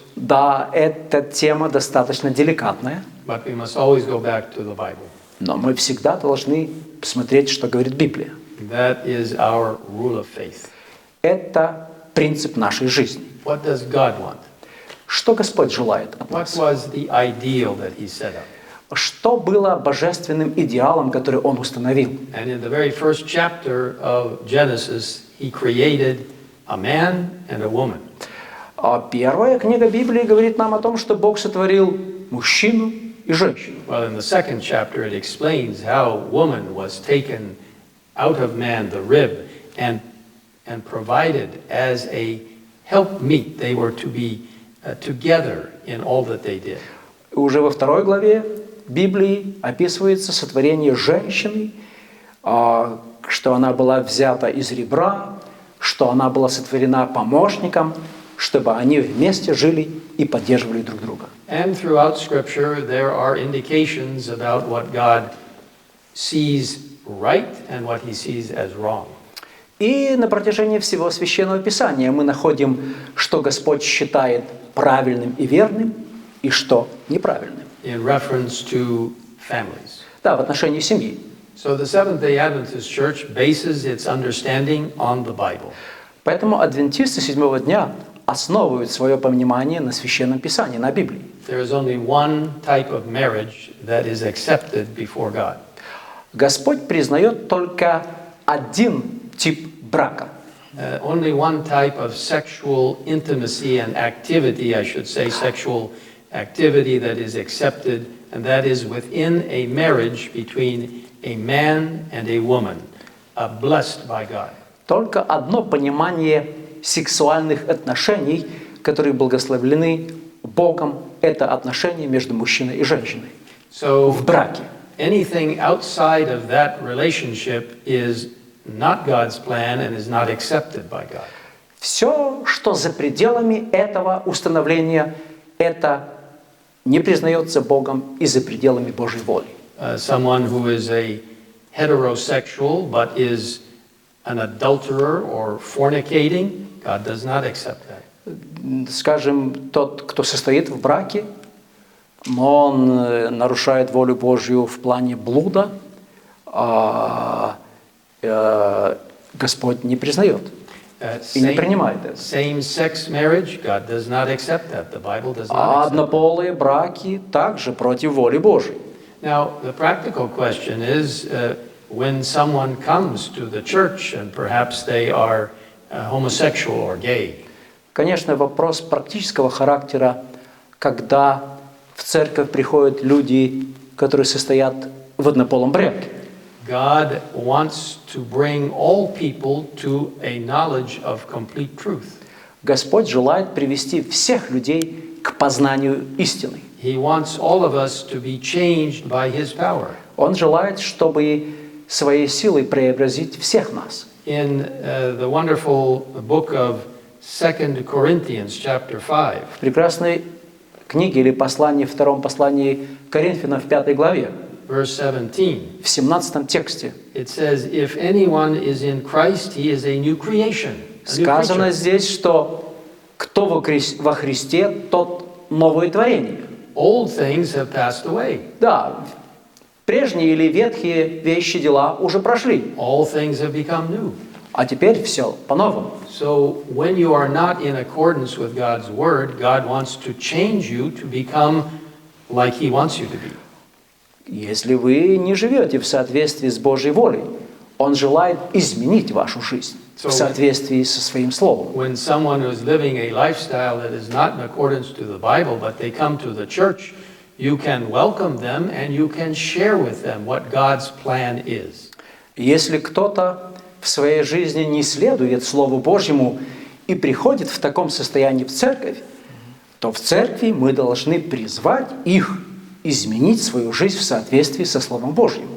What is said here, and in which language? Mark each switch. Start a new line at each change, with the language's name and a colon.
Russian: Да, эта тема достаточно деликатная.
English: But we must always go back to the Bible.
Russian: Но мы всегда должны посмотреть, что говорит Библия.
English: That is our rule of faith.
Russian: Это принцип нашей жизни.
English: What does God want?
Russian: Что Господь желает от
English: What
Russian: нас?
English: Was the ideal that he set up?
Russian: Что было божественным идеалом, который Он установил?
English: And in the very first chapter of Genesis, he created a man and a woman.
Russian: А первая книга Библии говорит нам о том, что Бог сотворил мужчину и женщину.
English: Well, in the second chapter it explains how woman was taken out of man, the rib, and provided as a helpmeet. They were to be together in all that they did.
Russian: Уже во второй главе Библии описывается сотворение женщины, что она была взята из ребра, что она была сотворена помощником, чтобы они вместе жили и поддерживали друг друга.
English: And throughout Scripture there are indications about what God sees right and what He sees as wrong.
Russian: И на протяжении всего Священного Писания мы находим, что Господь считает правильным и верным, и что неправильным.
English: In reference to families.
Russian: Да, в отношении семьи.
English: So the Seventh-day Adventist Church bases its understanding on the Bible.
Russian: Поэтому адвентисты седьмого дня основывают свое понимание на Священном Писании, на Библии.
English: There is only one type of marriage that is accepted before God.
Russian: Господь признает только один тип брака.
English: Only one type of sexual intimacy and activity, I should say, sexual activity that is accepted, and that is within a marriage between a man and a woman, blessed by God.
Russian: Только одно понимание сексуальных отношений, которые благословлены Богом, это отношения между мужчиной и женщиной в браке.
English: Anything outside of that relationship is not God's plan and is not accepted by God.
Russian: Все, что за пределами этого установления, это не признается Богом и за пределами Божьей воли.
English: Someone who is a heterosexual but is an adulterer or fornicating, God does not accept that.
Russian: Скажем, тот, кто состоит в браке, но он нарушает волю Божью в плане блуда, Господь не признает и не принимает это.
English: Same-sex marriage, God does not accept that. The Bible does not accept.
Russian: Однополые браки также против воли Божьей.
English: Now, the practical question is, when someone comes to the church and perhaps they are homosexual or gay.
Russian: Конечно, вопрос практического характера, когда в церковь приходят люди, которые состоят в однополом браке.
English: God wants to bring all people to a knowledge of complete truth.
Russian: Господь желает привести всех людей к познанию истины.
English: He wants all of us to be changed by His power.
Russian: Он желает, чтобы своей силой преобразить всех нас.
English: In the wonderful book of 2 Corinthians, chapter 5.
Russian: В прекрасной книге или послании, втором послании Коринфянам в пятой главе.
English: Verse 17.
Russian: В 17 тексте.
English: It says, if anyone is in Christ, he is a new creation.
Russian: Сказано здесь, что кто во Христе, тот новое творение.
English: Old things have passed away.
Russian: Да. Прежние или ветхие вещи, дела уже прошли.
English: All things have become new.
Russian: А теперь все по-новому.
English: So when you are not in accordance with God's word, God wants to change you to become like He wants you to be.
Russian: Если вы не живете в соответствии с Божьей волей, Он желает изменить вашу жизнь в соответствии со Своим Словом.
English: When someone is living a lifestyle that is not in accordance to the Bible, but they come to the church, you can welcome them and you can share with them what God's plan is.
Russian: Если кто-то в своей жизни не следует Слову Божьему и приходит в таком состоянии в церковь, то в церкви мы должны призвать их изменить свою жизнь в соответствии со Словом Божьим.